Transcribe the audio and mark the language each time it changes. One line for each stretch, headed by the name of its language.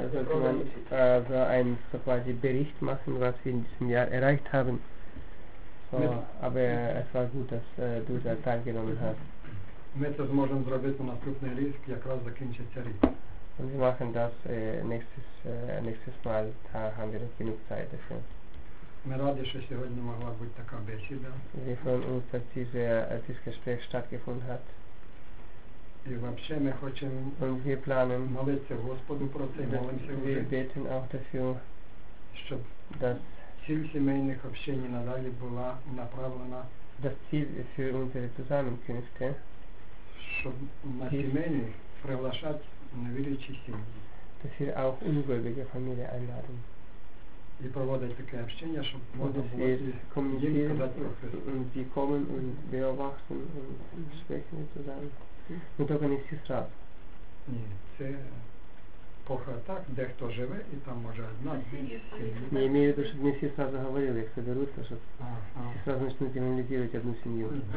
German: sollte man so ein so quasi Bericht machen, was wir in diesem Jahr erreicht haben. So, aber es war gut, dass du da teilgenommen hast.
Ukrainian: Ми це зможемо зробити на наступний рік, якраз закінчиться рік.
German: Und wir machen das nächstes Mal, da haben wir noch genug Zeit dafür.
Ukrainian: Ми раді, що сьогодні могла бути така бесіда.
German: Wir freuen uns, dass dieses Gespräch stattgefunden hat.
Ukrainian: І взагалі ми хочемо
German: und wir planen,
Ukrainian: молитися Господу про це, молимося вже.
German: Wir beten auch dafür,
Ukrainian: щоб
German: das
Ukrainian: ціль сімейних общень надалі була направлена.
German: Das Ziel für unsere Zusammenkünfte,
Ukrainian: щоб на сімейні приглашати невірючі сім'ї.
German: Dass wir auch ungläubige Familie einladen.
Ukrainian: І проводять таке общення, щоб можна було їм сказати про Христа.
German: Sie kommen und beobachten und sprechen zusammen.
Ukrainian: Ну, только не всі зразу. Ні, це поки так, дехто живе і там може одна, дві сім'ї. Не маю в виду, щоб не всі зразу говорили, як соберуться, щоб всі зразу почнуть аналізувати одну сім'ю.